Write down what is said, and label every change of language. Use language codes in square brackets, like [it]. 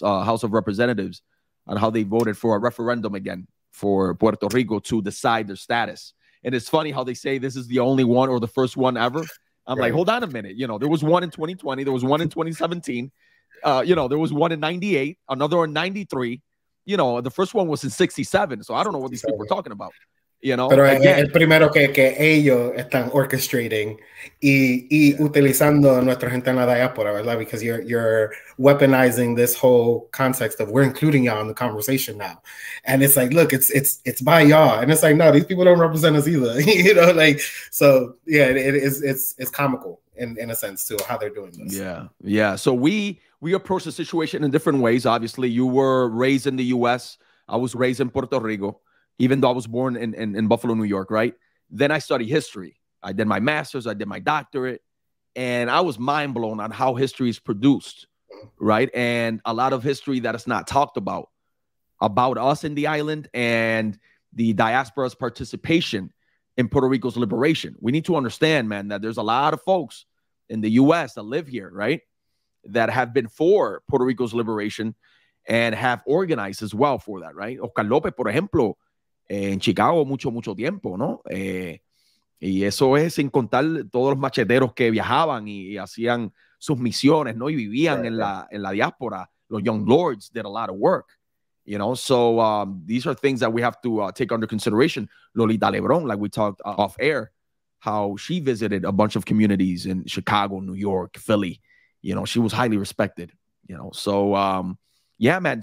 [en] House of Representatives on how they voted for a referendum again for Puerto Rico to decide their status. And it's funny how they say this is the only one or the first one ever. I'm right. like, hold on a minute. You know, there was one in 2020. There was one in 2017. You know, there was one in 98, another in 93. You know, the first one was in 67. So I don't know what these people are talking about. You know, [es] pero again, el primero que ellos están orchestrating y utilizando nuestra gente en la diáspora, ¿verdad? [en] Because you're weaponizing this whole context of we're including y'all in the conversation now, and it's like, look, it's by y'all, and it's like, no, these people don't represent us either, you know, like, so yeah, it's comical in a sense too how they're doing this. Yeah. So we approach the situation in different ways. Obviously, you were raised in the U.S. I was raised in Puerto Rico. Even though I was born in Buffalo, New York, right? Then I studied history. I did my master's, I did my doctorate, and I was mind blown on how history is produced, right? And a lot of history that is not talked about us in the island and the diaspora's participation in Puerto Rico's liberation. We need to understand, man, that there's a lot of folks in the U.S. that live here, right? That have been for Puerto Rico's liberation and have organized as well for that, right? [es] Oscar López, por ejemplo, en Chicago mucho, mucho tiempo, ¿no? Y eso es sin contar todos los macheteros que viajaban y hacían sus misiones, ¿no? Y vivían [en] sure, [es] en la diáspora. [en] Los Young Lords did a lot of work, you know? So these are things that we have to take under consideration. Lolita Lebron, like we talked off air, how she visited a bunch of communities in Chicago, New York, Philly, you know? She was highly respected, you know? So, yeah, man.